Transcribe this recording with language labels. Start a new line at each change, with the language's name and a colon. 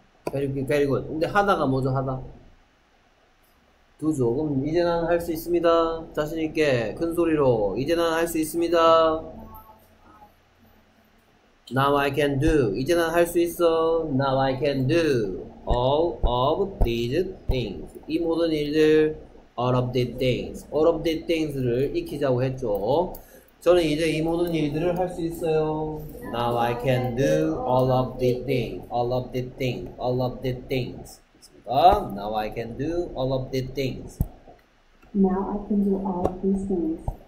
Korean: 베리굿. 근데 하다가 뭐죠? 하다 두죠. 그럼 이제 나는 할 수 있습니다. 자신 있게 큰 소리로 이제 나는 할 수 있습니다.
English: Now I can do.
Korean: 이제 나는 할 수 있어.
English: Now I can do all of these things.
Korean: 이 모든 일들
English: all of these things. All of these things를
Korean: 익히자고 했죠. 저는 이제 이 모든 일들을 할 수 있어요.
English: Now I can do all of these things. All of these things. All of these things. Now I can do all of these things. Now I can do all of these things.